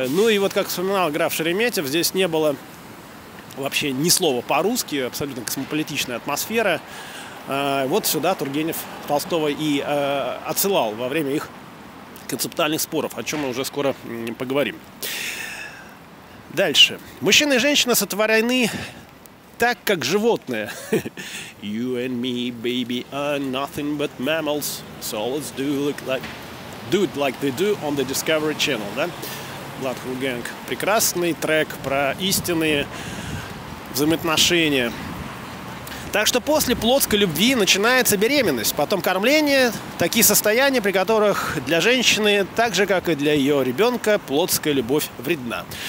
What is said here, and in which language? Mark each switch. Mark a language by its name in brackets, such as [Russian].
[Russian] Ну, и вот, как вспоминал граф Шереметьев, здесь не было вообще ни слова по-русски, абсолютно космополитичная атмосфера. Вот сюда Тургенев Толстого и отсылал во время их концептуальных споров, о чем мы уже скоро поговорим. Дальше. Мужчина и женщина сотворены так, как животные. [English] You and me, baby, are nothing but mammals. So let's do it like they do on the Discovery Channel, [Russian] да? [English] Bloodhound Gang. [Russian] Прекрасный трек про истинные взаимоотношения. Так что после плотской любви начинается беременность, потом кормление, такие состояния, при которых для женщины, так же, как и для ее ребенка, плотская любовь вредна.